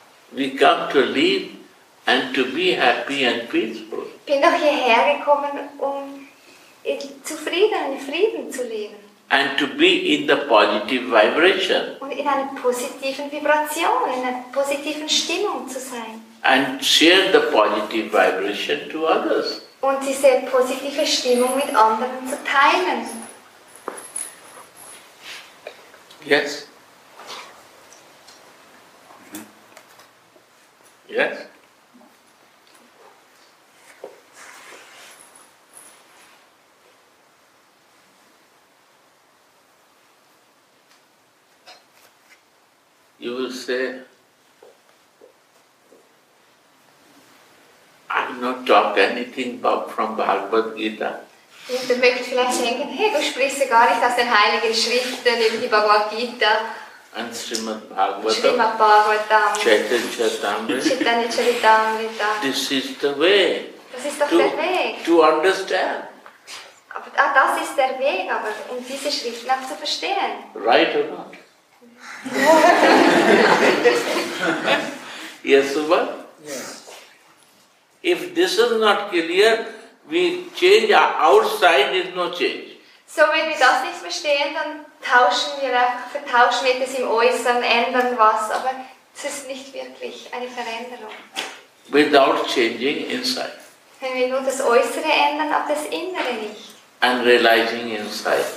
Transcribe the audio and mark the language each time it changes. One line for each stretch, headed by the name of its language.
English: We come to live and to be happy and peaceful.
German: Ich bin doch hierher gekommen, um zufrieden, in Frieden zu leben.
English: And to be in the positive vibration.
German: Und in einer positiven Vibration, in einer positiven Stimmung zu sein.
English: And share the positive vibration to others.
German: Und diese positive Stimmung mit anderen zu teilen.
English: Yes. Yes. You will say, I will not talk anything about from Bhagavad Gita.
German: Du möchtest vielleicht denken, hey, du sprichst gar nicht aus den heiligen Schriften über die Bhagavad Gita.
English: And Srimad Bhagavatam. Srimad Bhagavatam. Chaitanya Charitamrita. Chaitanya Charitamrita. This is the way.
German: Das ist doch der Weg.
English: To understand.
German: Aber das ist der Weg, aber um diese Schriften auch zu verstehen.
English: Right or not? Yes, Subhan? Yes. If this is not clear, we change outside, is no change.
German: So, wenn wir das nicht verstehen, dann tauschen wir einfach, vertauschen wir das im Äußeren, ändern was, aber es ist nicht wirklich eine Veränderung.
English: Without changing inside.
German: Wenn wir nur das Äußere ändern, aber das Innere nicht.
English: And realizing inside.